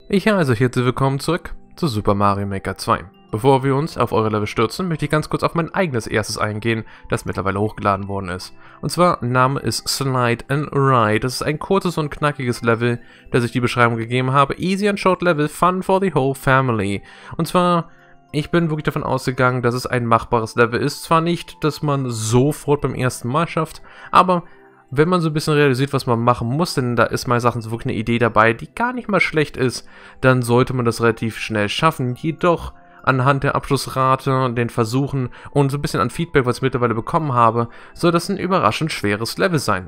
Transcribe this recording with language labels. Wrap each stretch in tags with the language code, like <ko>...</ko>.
<de>Ich heiße euch herzlich willkommen zurück zu Super Mario Maker 2. Bevor wir uns auf eure Level stürzen, möchte ich ganz kurz auf mein eigenes erstes eingehen, das mittlerweile hochgeladen worden ist. Und zwar, Name ist Slide and Ride. Das ist ein kurzes und knackiges Level, das ich die Beschreibung gegeben habe.</de> <en>Easy and short level, fun for the whole family.</en> <de>Und zwar, ich bin wirklich davon ausgegangen, dass es ein machbares Level ist. Zwar nicht, dass man sofort beim ersten Mal schafft, aber wenn man so ein bisschen realisiert, was man machen muss, denn da ist meine Sachen so wirklich eine Idee dabei, die gar nicht mal schlecht ist, dann sollte man das relativ schnell schaffen. Jedoch anhand der Abschlussrate, den Versuchen und so ein bisschen an Feedback, was ich mittlerweile bekommen habe, soll das ein überraschend schweres Level sein.</de>